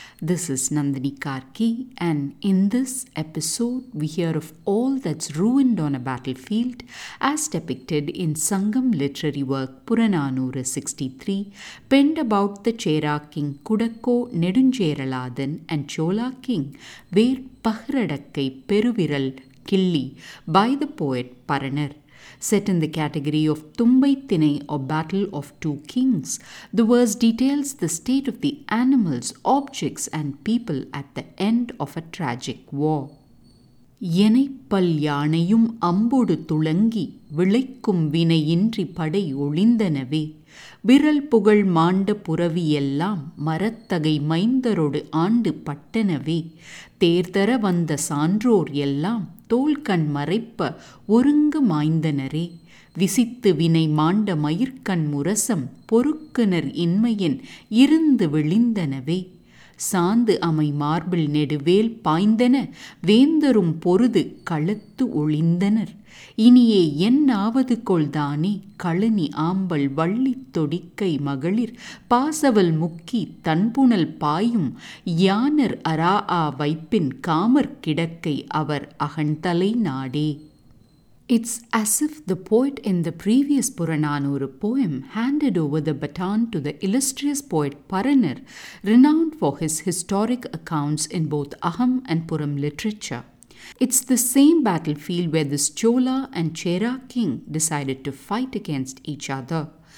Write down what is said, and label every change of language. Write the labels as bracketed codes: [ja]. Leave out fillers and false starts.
[en] This is Nandini Karki, and in this episode we hear of all that's ruined on a battlefield as depicted in Sangam literary work Purananura 63, penned about the Chera king Kudakko Nedunjeraladan and Chola king Ver Pahradakkai Peruviral Killi by the poet Paranar. Set in the category of Tumbai Thinai or Battle of Two Kings, the verse details the state of the animals, objects and people at the end of a tragic war. [ta] Yenai pal yanayum ambodu tulangi, vilaikkum vinayindri padai olindanave, viral pugal manda puravi ellam, marathagai maindarodu aandu pattanave, therthara vanda sandror ellam, தோல்கண் மறைப்ப ஒருங்கு மாய்ந்தனரே விசித்து வினை மாண்ட மயிர்கண் முரசம் பொறுக்குனர் இன்மையின் இருந்து விழிந்தனவே சாந்து அமை மார்பில் நெடுவேல் பாய்ந்தன வேந்தரும் பொருது கழுத்து ஒளிந்தனர் இனியே என்னாவது கொள்தானே கழுனி ஆம்பல் வள்ளி தொடிக்கை மகளிர் பாசவல் முக்கி தன்புணல் பாயும் யானர் அரா ஆ வைப்பின் காமர் கிடக்கை அவர் அகண்தலை நாடே. [en] It's as if the poet in the previous Purananura poem handed over the baton to the illustrious poet Paranar, renowned for his historic accounts in both Aham and Puram literature. It's the same battlefield where this Chola and Chera king decided to fight against each other.